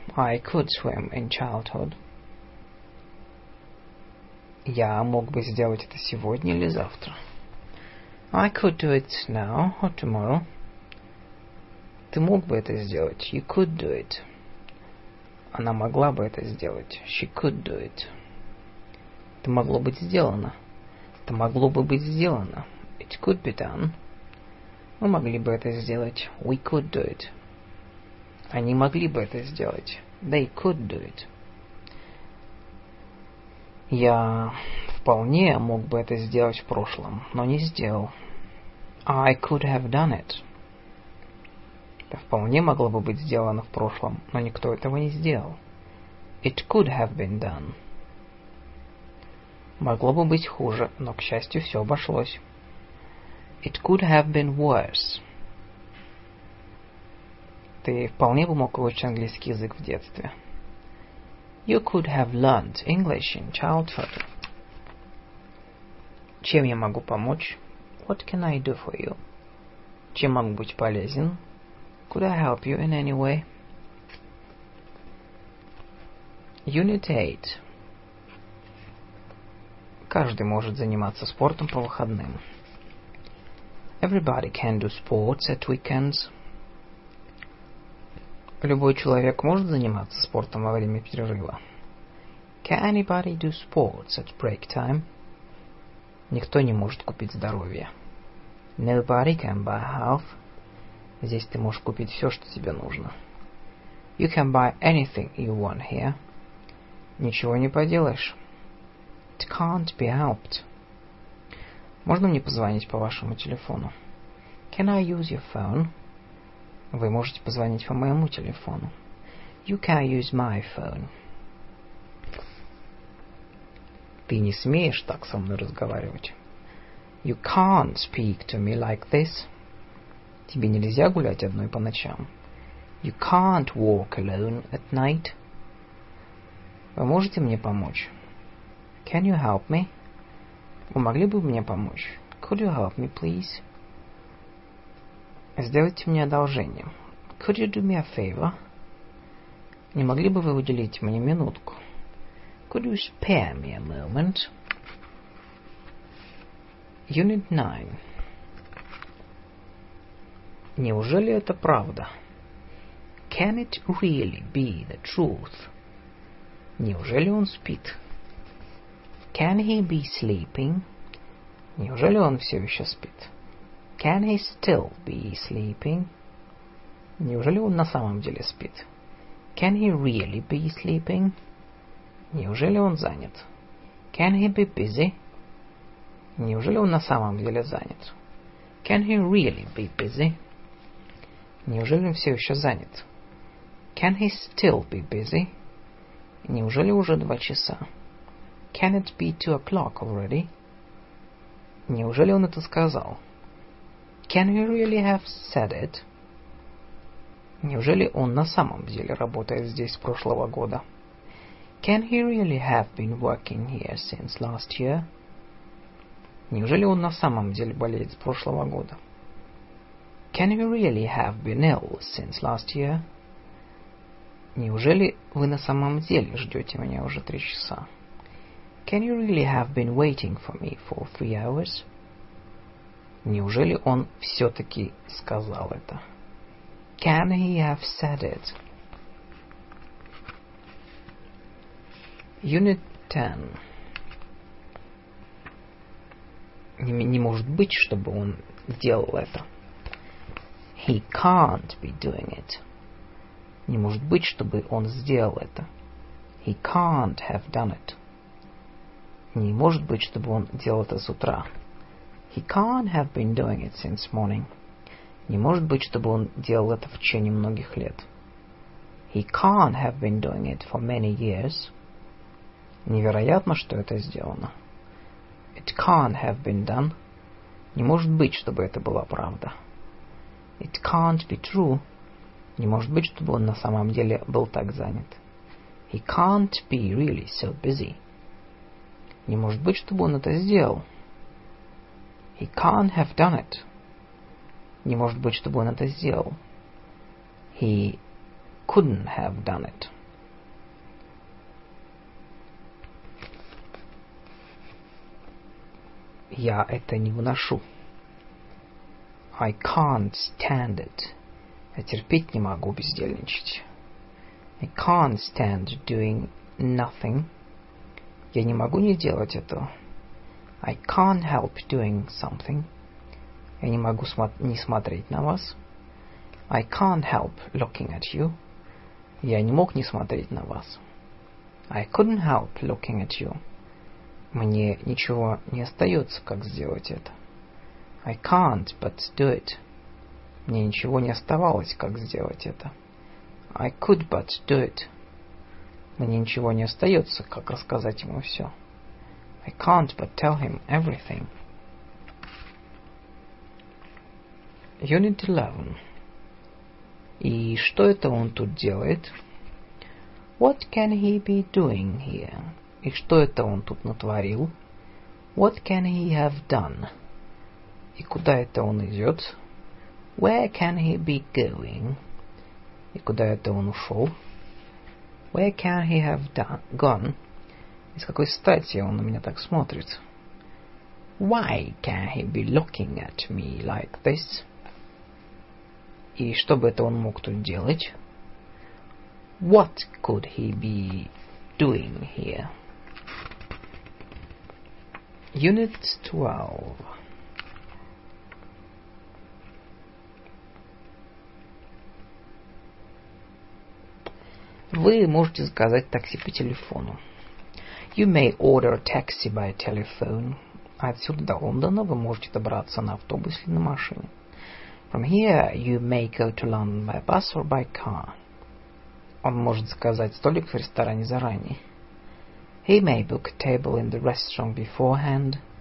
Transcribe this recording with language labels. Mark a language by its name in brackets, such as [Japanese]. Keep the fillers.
[English] I could swim in childhood. [Russian] Я мог бы сделать это сегодня или завтра. [English] I could do it now or tomorrow. [Russian] Ты мог бы это сделать. [English] You could do it. [Russian] Она могла бы это сделать. [English] She could do it. [Russian] Это могло быть сделано. Это могло бы быть сделано. [English] It could be done. [Russian] Мы могли бы это сделать. [English] We could do it. [Russian] Они могли бы это сделать. [English] They could do it. [Russian] Я вполне мог бы это сделать в прошлом, но не сделал. [English] I could have done it. [Russian] Это вполне могло бы быть сделано в прошлом, но никто этого не сделал. [English] It could have been done. [Russian] Могло бы быть хуже, но, к счастью, все обошлось. [English] It could have been worse. [Russian] Ты вполне бы мог выучить английский язык в детстве. [English] You could have learned English in childhood. [Russian] Чем я могу помочь? [English] What can I do for you? [Russian] Чем могу быть полезен? [English] Could I help you in any way? Unit 8. [Russian] Каждый может заниматься спортом по выходным. [English] Everybody can do sports at weekends. [Russian] Любой человек может заниматься спортом во время перерыва. [English] Can anybody do sports at break time? [Russian] Никто не может купить здоровье. [English] Nobody can buy health. [Russian] Здесь ты можешь купить все, что тебе нужно. [English] You can buy anything you want here. [Russian] Ничего не поделаешь. [English] It can't be helped. [Russian] Можно мне позвонить по вашему телефону? [English] Can I use your phone? [Russian] Вы можете позвонить по моему телефону. [English] You can use my phone. [Russian] Ты не смеешь так со мной разговаривать. [English] You can't speak to me like this. [Russian] Тебе нельзя гулять одной по ночам. [English] You can't walk alone at night. [Russian] Вы можете мне помочь? [English] Can you help me? [Russian] Вы могли бы мне помочь? [English] Could you help me, please? [Russian] Сделайте мне одолжение. [English] Could you do me a favor? [Russian] Не могли бы вы уделить мне минутку? [English] Could you spare me a moment? Unit 9. [Russian] Неужели это правда? [English] Can it really be the truth? [Russian] Неужели он спит? [English] Can he be sleeping? [Russian] Неужели он все еще спит? [English] Can he still be sleeping? [Russian] Неужели он на самом деле спит? [English] Can he really be sleeping? [Russian] Неужели он занят? [English] Can he be busy? [Russian] Неужели он на самом деле занят? [English] Can he really be busy? [Russian] Неужели он все еще занят? [English] Can he still be busy? [Russian] Неужели уже два часа? [English] Can it be two o'clock already? [Russian] Неужели он это сказал? [English] Can he really have said it? [Russian] Неужели он на самом деле работает здесь с прошлого года? [English] Can he really have been working here since last year? [Russian] Неужели он на самом деле болеет с прошлого года? [English] Can you really have been ill since last year? [Russian] Неужели вы на самом деле ждете меня уже три часа? [English] Can you really have been waiting for me for three hours? [Russian] Неужели он все-таки сказал это? [English] Can he have said it? Unit 10. [Russian] Не, не может быть, чтобы он делал это. [English] He can't be doing it. [Russian] Не может быть, чтобы он сделал это. [English] He can't have done it. [Russian] Не может быть, чтобы он делал это с утра. [English] He can't have been doing it since morning. [Russian] Не может быть, чтобы он делал это в течение многих лет. [English] He can't have been doing it for many years. [Russian] Невероятно, что это сделано. [English] It can't have been done. [Russian] Не может быть, чтобы это была правда. [English] It can't be true. [Russian] Не может быть, чтобы он на самом деле был так занят. [English] He can't be really so busy. [Russian] Не может быть, чтобы он это сделал. [English] He can't have done it. [Russian] Не может быть, чтобы он это сделал. [English] He couldn't have done it. [Russian] Я это не выношу. [English] I can't stand it. [Russian] Я терпеть не могу бездельничать. [English] I can't stand doing nothing. [Russian] Я не могу не делать этого. [English] I can't help doing something. [Russian] Я не могу смо- не смотреть на вас. [English] I can't help looking at you. [Russian] Я не мог не смотреть на вас. [English] I couldn't help looking at you. [Russian] Мне ничего не остается, как сделать это. [English] I can't but do it. [Russian] Мне ничего не оставалось, как сделать это. [English] I could but do it. [Russian] Мне ничего не остается, как рассказать ему все. [English] I can't but tell him everything. [Russian] Unit 11. И что это он тут делает? [English] What can he be doing here? [Russian] И что это он тут натворил? [English] What can he have done? [Russian] И куда это он идет? [English] Where can he be going? [Russian] И куда это он ушел? [English] Where can he have done, gone? [Russian] И с какой стати он на меня так смотрит? [English] Why can he be looking at me like this? [Russian] И что бы это он мог тут делать? [English] What could he be doing here? Unit 12. [Russian] Вы можете заказать такси по телефону. [English] You may order a taxi by telephone. [Russian] А Отсюда до Лондона вы можете добраться на автобусе или на машине. [English] From here you may go to London by bus or by car. [Russian] Он может заказать столик в ресторане заранее. [English] He may book a table in the restaurant beforehand.